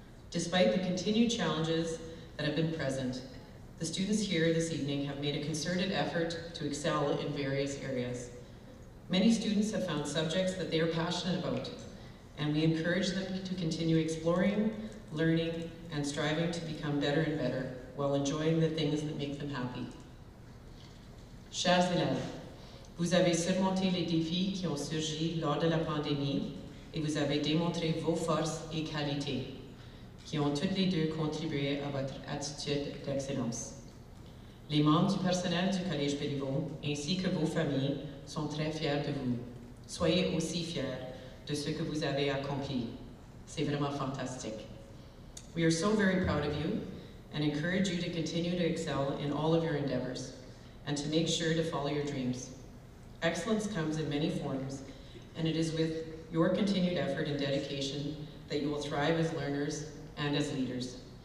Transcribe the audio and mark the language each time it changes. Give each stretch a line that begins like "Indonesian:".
English: Despite the continued challenges that have been present, the students here this evening have made a concerted effort to excel in various areas. Many students have found subjects that they are passionate about, and we encourage them to continue exploring, learning, and striving to become better and better while enjoying the things that make them happy.
French: Chers élèves, vous avez surmonté les défis qui ont surgi lors de la pandémie et vous avez démontré vos forces et qualités, qui ont toutes les deux contribué à votre attitude d'excellence. Les membres du personnel du COLLÈGE BÉLIVEAU ainsi que vos familles sont très fiers de vous. Soyez aussi fiers de ce que vous avez accompli. C'est vraiment fantastique.
English: We are so very proud of you and encourage you to continue to excel in all of your endeavors and to make sure to follow your dreams. Excellence comes in many forms, and it is with your continued effort and dedication that you will thrive as learners and as leaders.